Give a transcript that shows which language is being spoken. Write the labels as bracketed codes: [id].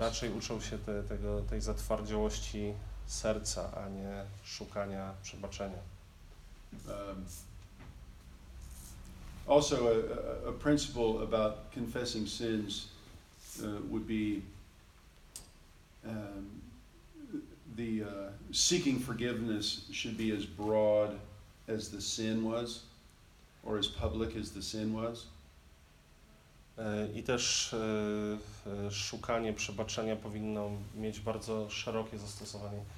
[pl] Raczej uczą się tej zatwardziałości serca, a nie szukania przebaczenia. [en] Also a principle about confessing sins would be the seeking forgiveness should be as broad as the sin was, or as public as the sin was. [pl] I też szukanie przebaczenia powinno mieć bardzo szerokie zastosowanie.